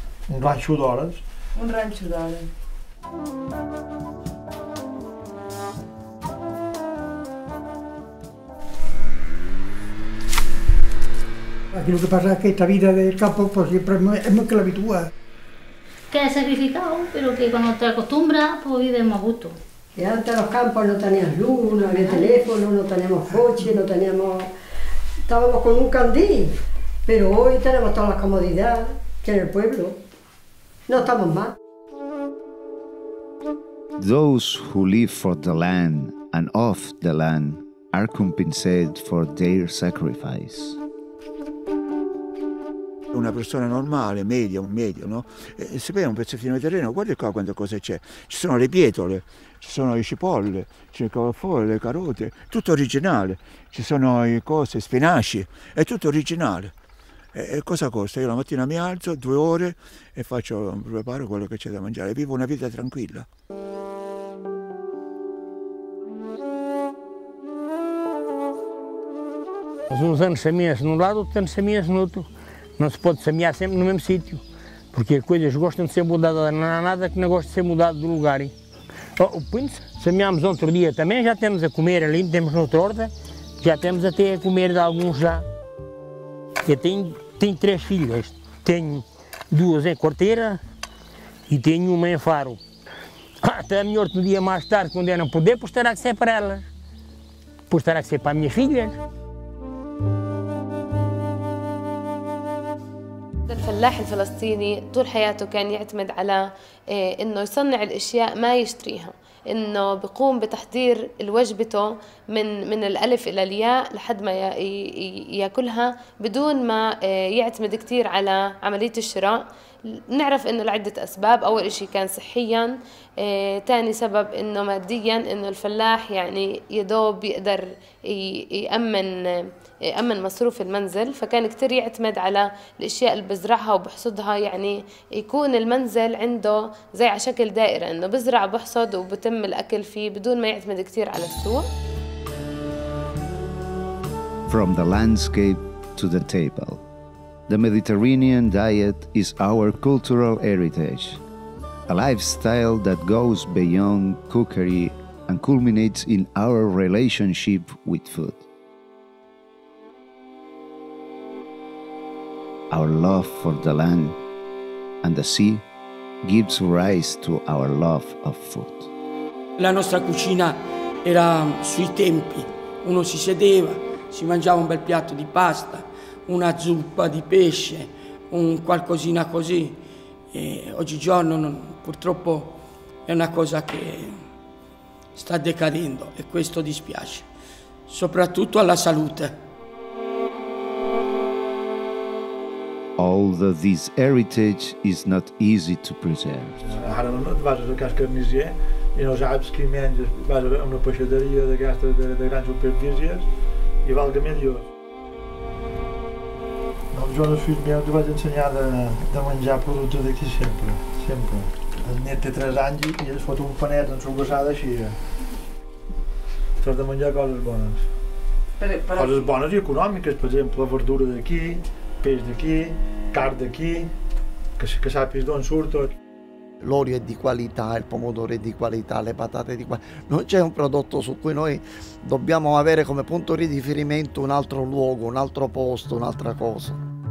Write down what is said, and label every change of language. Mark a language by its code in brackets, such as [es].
[ca] Un ranxo d'hores. Un ranxo d'hores. Aquí el que passa és que aquesta vida [es] del campo, pues, [ca] sempre és més que l'habitual. [es] Que he sacrificado, [ca] però que quan [es] te acostumbras, pues vives más gusto. Y antes los campos no tenían luz, no había teléfono, no teníamos coche, no teníamos... Estábamos con un candil, pero hoy tenemos todas las comodidades que en el pueblo. No estamos mal. [en] Those who live for the land and off the land are compensated for their sacrifice. [it] Una persona normale, medio, medio, no? Se vede un pezzettino di terreno, guarda qua quante cose c'è. Ci sono le pietole, ci sono le cipolle, c'è il cavolfiore, le carote, tutto originale. Ci sono le cose, spinaci, è tutto originale. E cosa costa? Io la mattina mi alzo, due ore, e faccio, preparo quello che c'è da mangiare. Vivo una vita tranquilla. Sono tante semie, se non lato, tante semie, se non altro. [pt] Não se pode semear sempre no mesmo sítio, porque as coisas gostam de ser mudadas. Não há nada que não goste de ser mudado de lugar. Oh, o pinto, semeámos outro dia também, já temos a comer ali, temos noutra horta, já temos até a comer de alguns já. Eu tenho três filhas. Tenho duas em Corteira e tenho uma em Faro. Até melhor um dia mais tarde, quando eu não puder, pois terá que ser para elas. Pois terá que ser para as minhas filhas. [ar] الفلاح الفلسطيني طول حياته كان يعتمد على إنه يصنع الأشياء ما يشتريها، إنه بيقوم بتحضير وجبته من الألف إلى الياء لحد ما يأكلها بدون ما يعتمد كتير على عملية الشراء. نعرف إنه لعدة أسباب، أول إشي كان صحياً، تاني سبب إنه مادياً، إنه الفلاح يعني يدوب يقدر يأمن مصروف المنزل، فكان كتير يعتمد على الأشياء اللي بزرعها وبحصدها، يعني يكون المنزل عنده زي على شكل دائرة، إنه بزرع بحصد وبتم الأكل فيه بدون ما يعتمد كتير على السوق. [en] From the landscape to the table, the Mediterranean diet is our cultural heritage, a lifestyle that goes beyond cookery and culminates in our relationship with food. Our love for the land and the sea gives rise to our love of food. [it] La nostra cucina era sui tempi. Uno si sedeva, si mangiava un bel piatto di pasta, una zuppa di pesce, un qualcosina così. E oggigiorno non, purtroppo è una cosa che sta decadendo e questo dispiace, soprattutto alla salute. [en] Although this heritage is not easy to preserve. [ca] Ara non vas a cercar carnisier, e non sabes que menges, vas a una peixaderia d'aquestes de grans superfícies i valga millor. Jo als fills meus els vaig ensenyar de menjar productes d'aquí sempre, sempre. El net té 3 anys i es fot un panet en sorbassada així. T'has de menjar coses bones. Però... Coses bones i econòmiques, per exemple, verdura d'aquí, peix d'aquí, carn d'aquí, que sàpies d'on surt tot. [it] L'olio è di qualità, il pomodoro è di qualità, le patate di qualità. Non c'è un prodotto su cui noi dobbiamo avere come punto di riferimento un altro luogo, un altro posto, un'altra cosa.